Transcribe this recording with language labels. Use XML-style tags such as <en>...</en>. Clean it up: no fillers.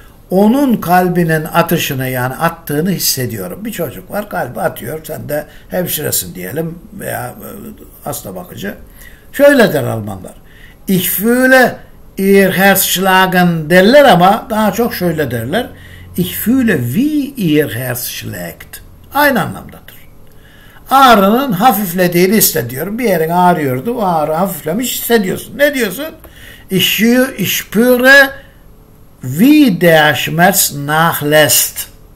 <tr>Onun kalbinin atışını, yani attığını hissediyorum. Bir çocuk var, kalbi atıyor. Sen de hemşiresin diyelim veya hasta bakıcı. Şöyle der Almanlar.</tr> <de>Ich fühle ihr Herz schlagen</de> <tr>derler ama daha çok şöyle derler.</tr> <de>Ich fühle wie ihr Herz schlägt.</de> <tr>Aynı anlamdadır. Ağrının hafiflediğini hissediyorum. Bir yerin ağrıyordu, o ağrı hafiflemiş hissediyorsun. Ne diyorsun?</tr> <de>Ich spüre wie der Schmerz nachlässt.</de>